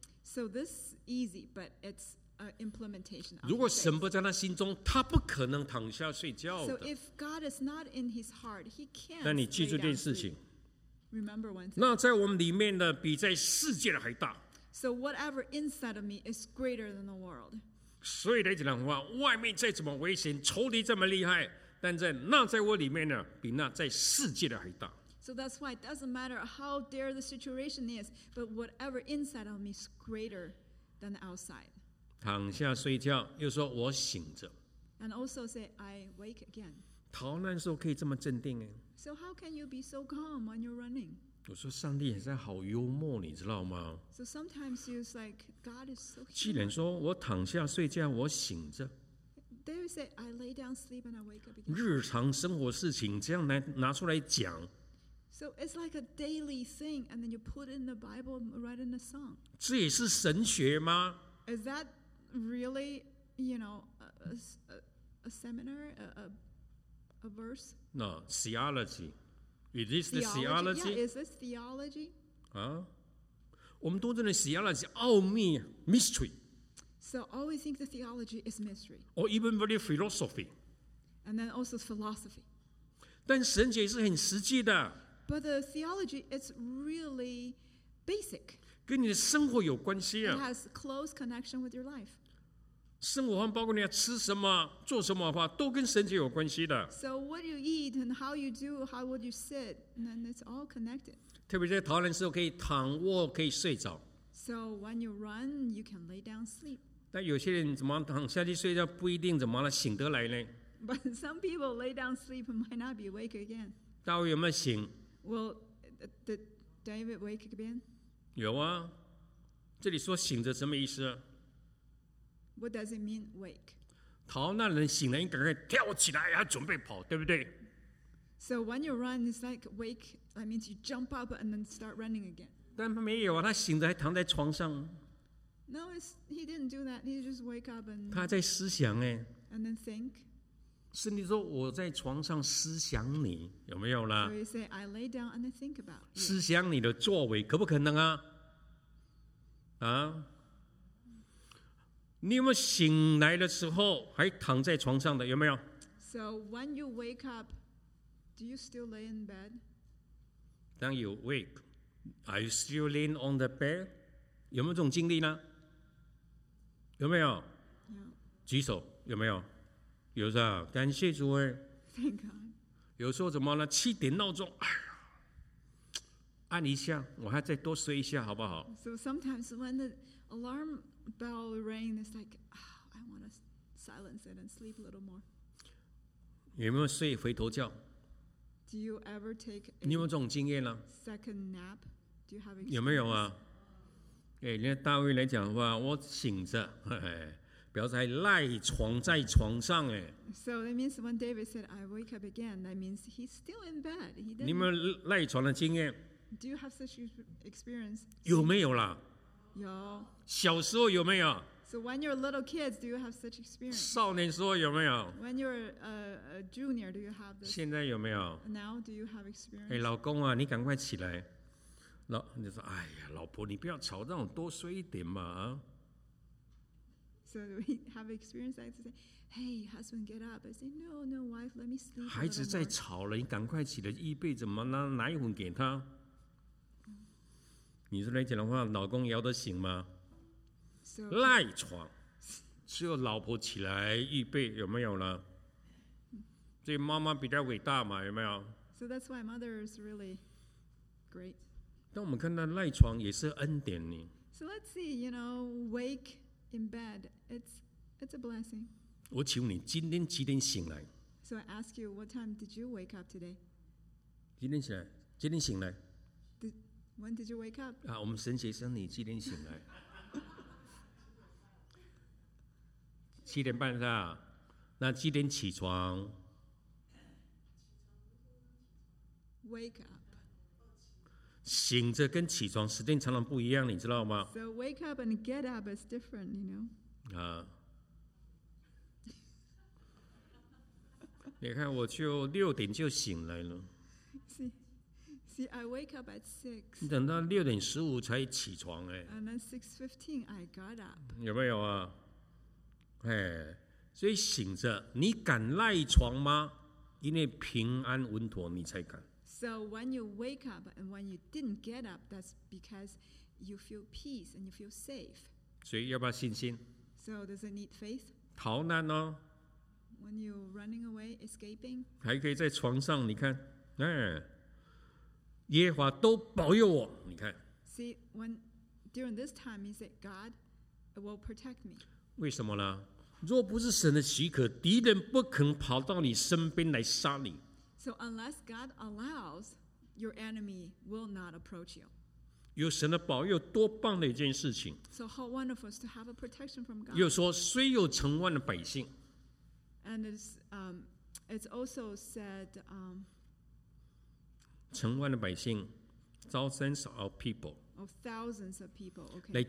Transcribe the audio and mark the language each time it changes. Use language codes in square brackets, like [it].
[en] So this easy, but it's implementation. [zh] 如果神不在他心中，他不可能躺下睡觉的。 [en] So if God is not in his heart, he can't. [zh] 那你记住这件事情。 [en] Remember one thing. [zh] 那在我们里面的比在世界的还大。 [en] So whatever inside of me is greater than the world. [zh] 所以来讲的话，外面再怎么危险，仇敌这么厉害，但在那在我里面呢，比那在世界的还大。 [en] So that's why it doesn't matter how dire the situation is, but whatever inside of me is greater than the outside. [zh] 躺下睡觉，又说我醒着。 [en] And also say I wake again. [zh] 逃难时候可以这么镇定哎。 [en] So how can you be so calm when you're running? [zh] 我说上帝现在好幽默，你知道吗？ [en] So sometimes he's like God is so. [zh] 既然说我躺下睡觉，我醒着。 [en] They say I lay down sleep and I wake up again. [zh] 日常生活事情这样拿出来讲。 [en] So it's like a daily thing, and then you put in the Bible, write in a song. [zh] 这也是神学吗？ [en] Is that really, you know, a seminar, a verse? No, theology. Is this the theology? Yeah, is this theology? [zh] 啊，我们都认为 theology 奥秘 mystery. [en] So always think the theology is mystery. Or even very philosophy. And then also philosophy. [zh] 但神学是很实际的。 [en] But the theology is really basic. [zh] 跟你的生活有关系啊。 [en] It has close connection with your life. [zh] 生活包括你要吃什么、做什么的话，都跟神学有关系的。 [en] So what you eat and how you do, how would you sit, and then it's all connected. [zh] 特别在逃难时候可以躺卧，可以睡着。 [en] So when you run, you can lay down sleep. [zh] 但有些人怎么躺下去睡觉，不一定怎么了醒得来呢？ [en] But some people lay down sleep and might not be awake again. [zh] 大卫有没有醒？ [en] Well, did David wake again? [zh] 有啊，这里说醒着什么意思？ [en] What does it mean, wake? [zh] 逃难人醒了，你赶快跳起来，要准备跑，对不对？ [en] So when you run, it's like wake, that means you jump up and then start running again. [zh] 但没有啊，他醒着还躺在床上。 [en] No, he didn't do that. He just wake up and. [zh] 他在思想哎。 [en] And then think. [zh] 圣经说我在床上思想你，有没有啦？ [en] So you say, I lay down and I think about you. [zh] 思想你的作为，可不可能啊？啊？你有没有醒来的时候还躺在床上的，有没有？ [en] So when you wake up, do you still lay in bed? 当 you wake, are you still laying on the bed? [zh] 有没有这种经历呢？有没有？ [en] Yeah. [zh] 举手，有没有？有时候感谢主耶。 [en] Thank God. [zh] 有时候怎么呢？七点闹钟，按一下，我还再多睡一下，好不好 [en] ？So sometimes when the alarm bell rings, it's like, I want to silence it and sleep a little more. [zh] 有没有睡回头觉 [en] ？Do you ever take? [zh] 你有没有这种经验呢 [en] ？Second nap? Do you have? [zh] 有没有啊？哎，人家大卫来讲的话，我醒着。嘿嘿表示还赖床在床上哎。 [en] So that means when David said I wake up again, that means he's still in bed. He didn't. [zh] 你有没有赖床的经验 [en] ？Do you have such experience? [zh] 有没有啦？有。小时候有没有 [en] ？So when you're little kids, do you have such experience? [zh] 少年时候有没有 [en] ？When you're a junior, do you have this? [zh] 现在有没有 [en] ？Now do you have experience? [zh] 哎，老公啊，你赶快起来。你说，哎呀，老婆，你不要吵，让我多睡一点嘛啊。 [en] So we have experience. I say, "Hey, husband, get up." I say, "No, no, wife, let me sleep." [zh] 孩子在吵了，你赶快起来，预备怎么拿奶粉给他？你说来讲的话，老公摇得醒吗？赖床，只有老婆起来预备，有没有呢？所以妈妈比较伟大嘛，有没有 [en] ？So that's why mother is really great. [zh] 但我们看到赖床也是恩典呢。 [en] So let's see, you know, wake. In bed, it's a blessing. [zh] 我请问你今天几点醒来 [en] ？So I ask you, what time did you wake up today? [zh] 今天起来，今天醒来。 [en] When did you wake up? [zh] 啊，我们神学生，你几点醒来？七点半是吧？那几点起床 [en] ？Wake up. [zh] 醒着跟起床时间常常不一样，你知道吗 [en] ？So wake up and get up is different, you know. 啊， [zh] 你看我就六点就醒来了。 [en] See, I wake up at 6. [zh] 等到六点十五才起床哎。 [en] And at 6:15, I got up. [zh] 有没有啊？哎，所以醒着，你敢赖床吗？因为平安稳妥，你才敢。 [en] So when you wake up and when you didn't get up, that's because you feel peace and you feel safe. [zh] 所以要不要信心 [en] ？So does it need faith? [zh] 逃难哦。 [en] When you're running away, escaping. [zh] 还可以在床上，你看，哎。耶和华都保佑我，你看。 [en] See when during this time he said, "God will protect me." [zh] 为什么呢？若不是神的许可，敌人不肯跑到你身边来杀你。 [en] So unless God allows, your enemy will not approach you. [zh] 有神的保佑，多棒的一件事情。 [en] So how wonderful to have a protection from God. [zh] 又说，虽有成万的百姓。 [en] And it's also said, [zh] 成万的百姓 [en] thousands of people, of thousands of people, okay.